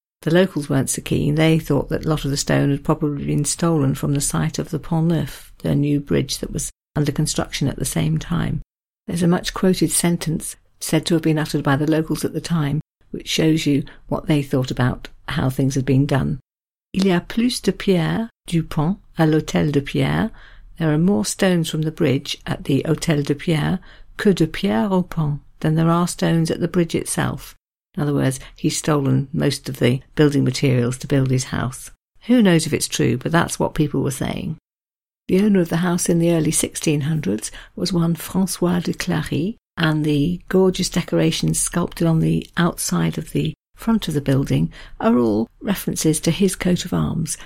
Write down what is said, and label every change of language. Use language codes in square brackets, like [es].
[en] The locals weren't so keen. They thought that a lot of the stone had probably been stolen from the site of the Pont Neuf, the new bridge that was under construction at the same time. There's a much quoted sentence said to have been uttered by the locals at the time, which shows you what they thought about how things had been done. [fr] Il y a plus de pierres du pont à l'hôtel de Pierre. [en] There are more stones from the bridge at the Hôtel de Pierre [fr] que de pierres au pont [en] than there are stones at the bridge itself. In other words, he's stolen most of the building materials to build his house. Who knows if it's true, but that's what people were saying. The owner of the house in the early 1600s was one François de Clary, and the gorgeous decorations sculpted on the outside of the front of the building are all references to his coat of arms.